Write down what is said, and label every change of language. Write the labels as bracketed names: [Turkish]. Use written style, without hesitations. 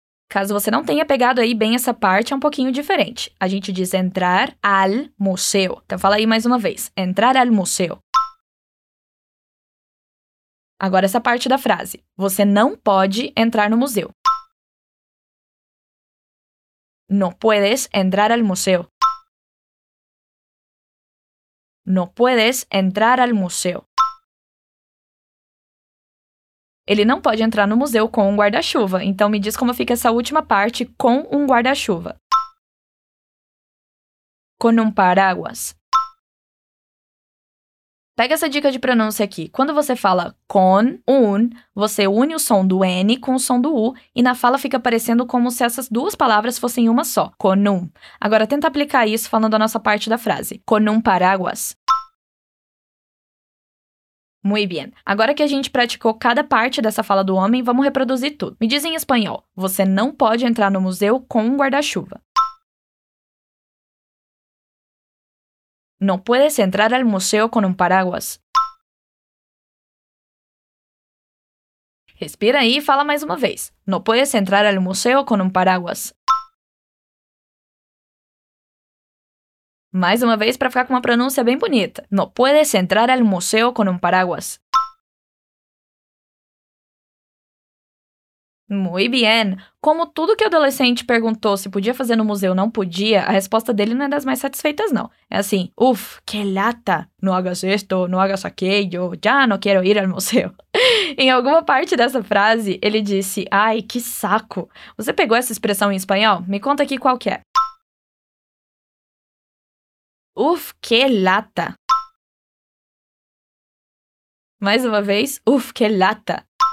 [Portuguese] Caso você não tenha pegado aí bem essa parte, é um pouquinho diferente. A gente diz [Spanish] entrar al museo. [Portuguese] Então, fala aí mais uma vez. [Spanish] Entrar al museo. [Portuguese] Agora, essa parte da frase. Você não pode entrar no museu. [Spanish] No puedes entrar al museo. No puedes entrar al museo. [Portuguese] Ele não pode entrar no museu com um guarda-chuva. Então, me diz como fica essa última parte com um guarda-chuva. [Spanish] Con un paraguas. [Portuguese] Pega essa dica de pronúncia aqui. Quando você fala con, un, você une o som do N com o som do U e na fala fica parecendo como se essas duas palavras fossem uma só. [Spanish] Con un. [Portuguese] Agora, tenta aplicar isso falando a nossa parte da frase. [Spanish] Con un paraguas. Muy bien. [Portuguese] Agora que a gente praticou cada parte dessa fala do homem, vamos reproduzir tudo. Me diz em espanhol. Você não pode entrar no museu com um guarda-chuva. [Spanish] No puedes entrar al museo con un paraguas. [Portuguese] Respira aí e fala mais uma vez. [Spanish] No puedes entrar al museo con un paraguas. [Portuguese] Mais uma vez para ficar com uma pronúncia bem bonita. [Spanish] No puedes entrar al museo con un paraguas. Muy bien. [Portuguese] Como tudo que o adolescente perguntou se podia fazer no museu não podia, a resposta dele não é das mais satisfeitas, não. É assim, uff, [Spanish] que lata. No hagas esto, no hagas aquello, ya no quiero ir al museo. [Portuguese] Em alguma parte dessa frase, ele disse, ai, que saco. Você pegou essa expressão em espanhol? Me conta aqui qual que é. [Spanish] Uf, que lata. [Portuguese] Mais uma vez, [Spanish] uf, que lata.